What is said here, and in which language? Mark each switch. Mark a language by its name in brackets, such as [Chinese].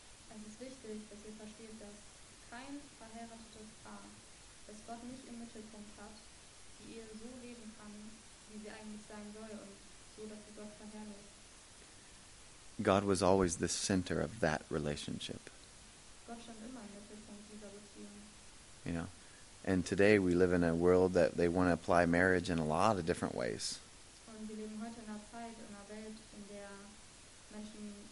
[German] Es ist wichtig, dass ihr versteht, dass kein verheiratetes Paar, das Gott nicht im Mittelpunkt hat, die Ehe so leben kann, wie sie eigentlich sein soll und so, dass sie Gott verherrlicht. [English] God was always the center of that relationship. [German] Gott stand immer im Mittelpunkt dieser Beziehung. [English] You know, and today we live in a world that they want to apply marriage in a lot of different ways. [German] Und wir leben heute in einer Zeit, in einer Welt, in der Menschen